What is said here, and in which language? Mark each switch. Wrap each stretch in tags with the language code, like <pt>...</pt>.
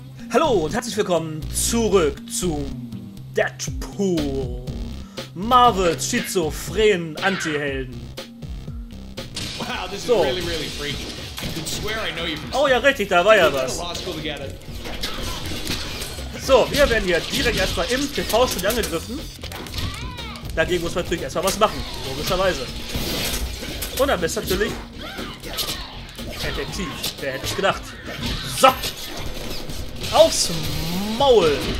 <de>Hallo und herzlich willkommen zurück zu Deadpool. Marvels schizophrenen Anti-Helden.</de> <en>Wow, this is really, really freaky. I swear I know you from...</en> <de>Oh ja, richtig, da war ja was. So, wir werden hier direkt erstmal im TV-Studio angegriffen. Dagegen muss man natürlich erstmal was machen, logischerweise. Und dann bist du natürlich effektiv. Wer hätte es gedacht? So! Aufs Maul!</de>